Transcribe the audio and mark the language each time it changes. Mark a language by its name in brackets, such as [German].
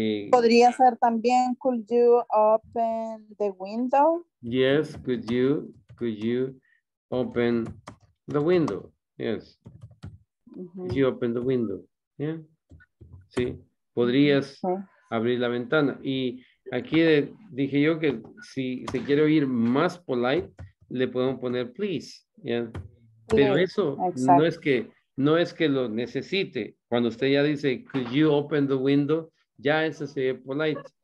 [Spanish] podría ser también, [English] could you open the window? Yes, could you open the window? Yes. Uh-huh. Could you open the window? Yeah. [Spanish] Sí, podrías abrir la ventana. Y aquí dije yo que si se quiere oír más polite, le podemos poner please. Yeah. Pero eso no es que lo necesite. Cuando usted ya dice, [English] could you open the window? [Spanish] Ya eso se ve polite.